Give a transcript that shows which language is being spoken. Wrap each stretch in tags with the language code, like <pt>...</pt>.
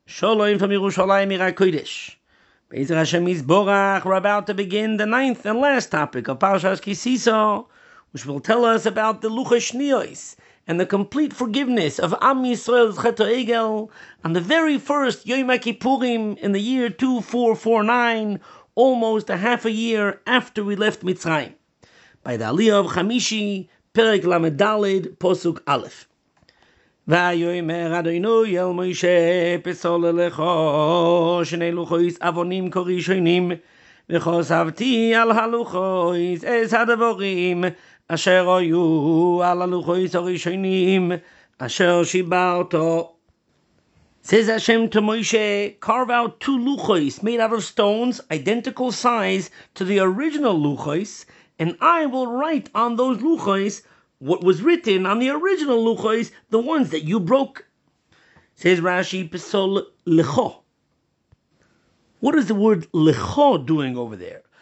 <en>Shalom from Yerushalayim, Ira Kodesh. Be'ezer Hashem Yisborach, we're about to begin the ninth and last topic of Parshas Kisiso, which will tell us about the Luchos Shniyos and the complete forgiveness of Am Yisrael's Chetah Egel on the very first Yom HaKippurim in the year 2449, almost a half a year after we left Mitzrayim, by the Aliyah of Chamishi, Perek Lamed Daled, Posuk Aleph.</en> <he>ויאמר אדוני אל משה פסול לך שני לוחות אבנים כראשונים וחשבתי על הלוחות את הדברים אשר היו על הלוחות הראשונים אשר שיברת.</he> <en>Says Hashem to Moshe, carve out two luchos made out of stones identical size to the original luchos, and I will write on those luchos what was written on the original luchos, the ones that you broke. Says Rashi, Pesol Lecho. What is the word Lecho doing over there?</en>